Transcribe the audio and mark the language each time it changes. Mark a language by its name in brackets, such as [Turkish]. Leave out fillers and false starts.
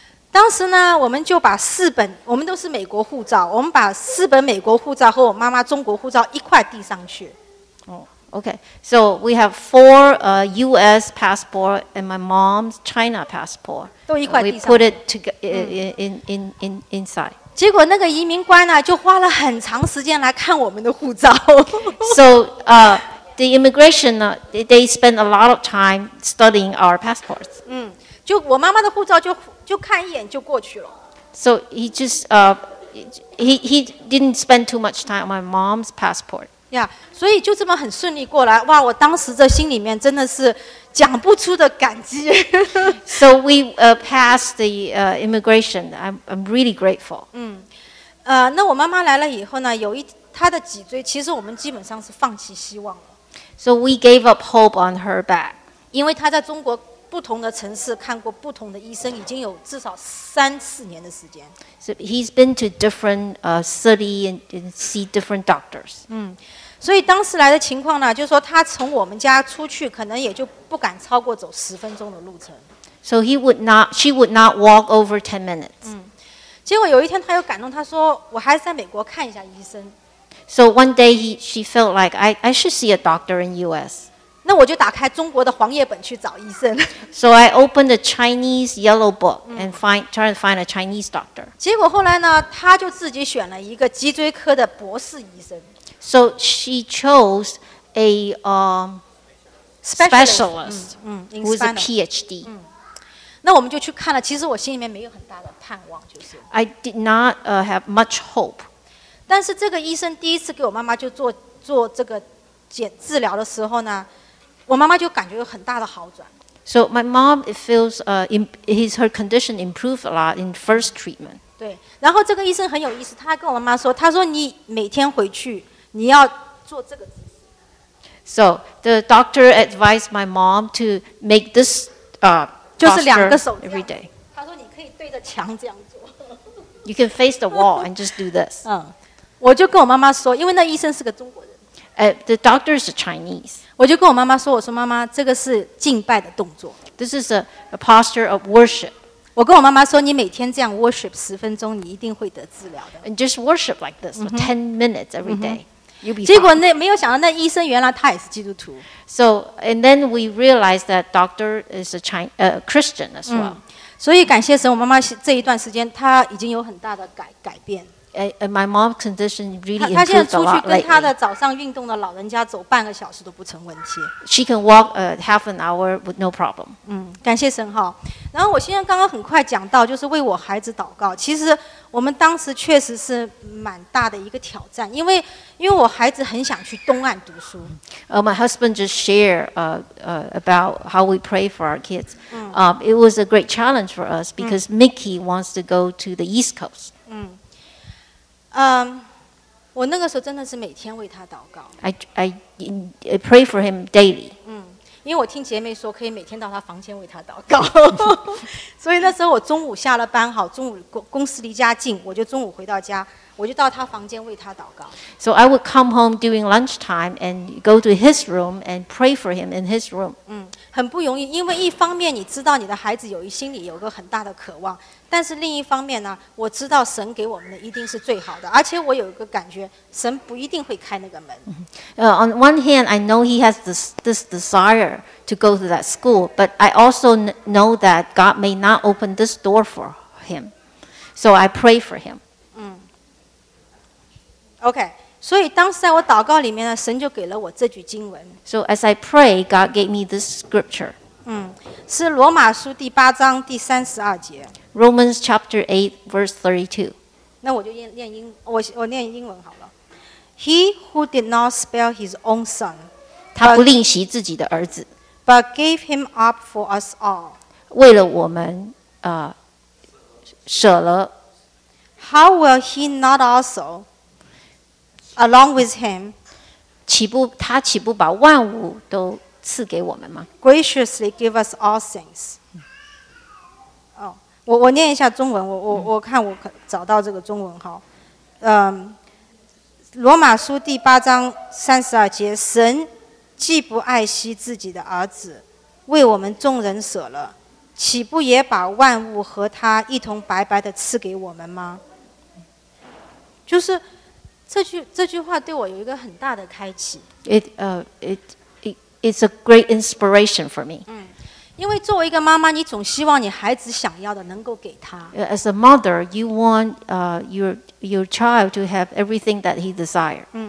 [Chinese] 当时呢，我们就把四本，我们都是美国护照，我们把四本美国护照和我妈妈中国护照一块递上去。 [English] Okay, so we have four U.S. passport and my mom's China passport. [Chinese] 都一块递上去。 [English] We put it inside. [Chinese] 结果那个移民官呢，就花了很长时间来看我们的护照。 [English] So, the immigration, they spend a lot of time studying our passports. [Chinese] 就我妈妈的护照就看一眼就过去了。 [English] So he just he didn't spend too much time on my mom's passport. [Chinese] Yeah, 所以就这么很顺利过来，哇！我当时这心里面真的是讲不出的感激。 [English] So we passed the immigration. I'm really grateful. [Chinese] 那我妈妈来了以后呢，有一她的脊椎，其实我们基本上是放弃希望了。 [English] So we gave up hope on her back. [Chinese] 因为她在中国不同的城市看过不同的医生，已经有至少3-4年的时间。 [English] So he's been to different city and see different doctors. [Chinese] 所以当时来的情况呢，就是说他从我们家出去，可能也就不敢超过走10分钟的路程。 [English] So she would not walk over 10 minutes. [Chinese] 结果有一天他又感动，他说我还是在美国看一下医生。 [English] So one day she felt like I should see a doctor in U.S. [Chinese] 那我就打开中国的黄页本去找医生。 [English] So I opened a Chinese yellow book and trying to find a Chinese doctor. [Chinese] 结果后来呢，他就自己选了一个脊椎科的博士医生。 [English] So she chose a specialist who is a PhD. [Chinese] 那我们就去看了。其实我心里面没有很大的盼望，就是。 [English] I did not have much hope. [Chinese] 但是这个医生第一次给我妈妈就做这个治疗的时候呢，我妈妈就感觉有很大的好转。 [English] So my mom feels her condition improved a lot in first treatment. [Chinese] 对，然后这个医生很有意思，他跟我妈妈说，他说你每天回去。你要做这个姿势。 [English] So the doctor advised my mom to make this posture. [Chinese] 就是两个手 [English] every day. [Chinese] 他说你可以对着墙这样做。 [English] You can face the wall and just do this. [Chinese] 我就跟我妈妈说，因为那医生是个中国人。 [English] The doctor is Chinese. [Chinese] 我就跟我妈妈说，我说妈妈，这个是敬拜的动作。 [English] This is a posture of worship. [Chinese] 我跟我妈妈说，你每天这样 worship 十分钟，你一定会得治疗的。 [English] And just worship like this for 10 minutes every day. [Chinese] 结果那没有想到那医生原来他也是基督徒。 [English] So and then we realized that doctor is a Christian as well.、 [Chinese] 所以感谢神，我妈妈这一段时间她已经有很大的改变。 [English] My mom's condition really improved a lot. [Chinese] 她现在出去跟她的早上运动的老人家走半个小时都不成问题。 [English] She can walk half an hour with no problem.、 [Chinese] 感谢神哈。然后我现在刚刚很快讲到，就是为我孩子祷告。其实我们当时确实是蛮大的一个挑战，因为我孩子很想去东岸读书。 [English] My husband just shared about how we pray for our kids.、It was a great challenge for us because、Mickey wants to go to the East Coast. [Chinese] 我那个时候真的是每天为他祷告。 [English] I pray for him daily.、 [Chinese] 因为我听姐妹说可以每天到她房间为她祷告，所以那时候我中午下了班，好，中午公司离家近，我就中午回到家，我就到她房间为她祷告。 [English] So I would come home during lunchtime and go to his room and pray for him in his room. [Chinese] 很不容易，因为一方面你知道你的孩子有一心里有个很大的渴望，但是另一方面呢，我知道神给我们的一定是最好的，而且我有一个感觉，神不一定会开那个门。 [English] On one hand, I know he has this desire to go to that school, but I also know that God may not open this door for him. So I pray for him. Okay. [Chinese] 所以当时在我祷告里面呢，神就给了我这句经文。 [English] So as I pray, God gave me this scripture. [Chinese] 是罗马书第八章第三十二节。 [English] Romans chapter 8 verse 32. [Chinese] 那我就念英，我念英文好了。 [English] He who did not spare his own son, [Chinese] 他不吝惜自己的儿子。 [English] But gave him up for us all. [Chinese] 为了我们，舍了。 [English] How will he not also? Along with him, [Chinese] 他岂不把万物都赐给我们吗 [English] ？Graciously give us all things. [Chinese] 我念一下中文，我看我找到这个中文哈。罗马书第八章三十二节，神既不爱惜自己的儿子，为我们众人舍了，岂不也把万物和他一同白白的赐给我们吗？就是。这句话对我有一个很大的开启。 [English] It's a great inspiration for me. [Chinese] 因为作为一个妈妈，你总希望你孩子想要的能够给他。 [English] As a mother, you want your child to have everything that he desires.